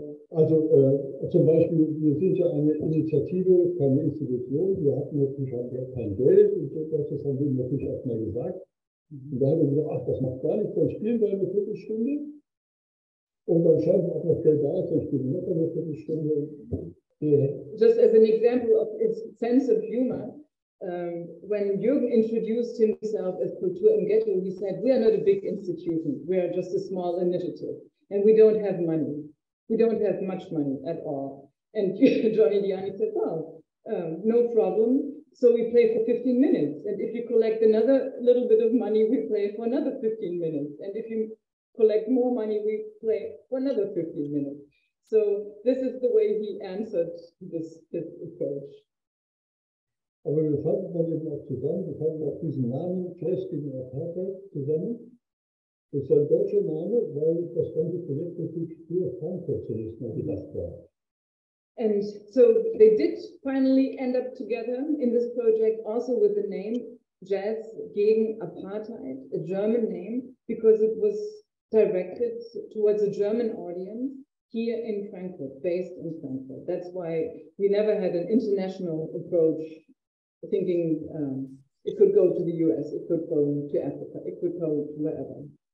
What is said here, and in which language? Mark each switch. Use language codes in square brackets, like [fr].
[de] Also zum Beispiel, wir sind ja eine Initiative, keine Institution. Wir hatten natürlich auch kein Geld und das haben wir natürlich auch mal gesagt. Und da haben wir gesagt, ach, das macht gar nichts, dann spielen wir eine Viertelstunde. Und dann schauen wir, ob das Geld da ist, dann spielen wir noch eine Viertelstunde. [en] Yeah. Just as an example of its sense of humor. When Jürgen introduced himself as Kultur im Ghetto, he said, we are not a big institution, we are just a small initiative, and we don't have money, we don't have much money at all. And Johnny Dyani said, well, no problem, so we play for 15 minutes, and if you collect another little bit of money, we play for another 15 minutes, and if you collect more money, we play for another 15 minutes. So this is the way he answered this approach. [de] Aber wir fanden dann eben auch zusammen, wir fanden auch diesen Namen Jazz gegen Apartheid zusammen. Das ist ein deutscher Name, weil das ganze Projekt natürlich für Frankfurt zunächst mal gedacht war. [en] And so they did finally end up together in this project also with the name Jazz gegen Apartheid, a German name, because it was directed towards a German audience. Here in Frankfurt, based in Frankfurt. That's why we never had an international approach, thinking it could go to the US, it could go to Africa, it could go to wherever.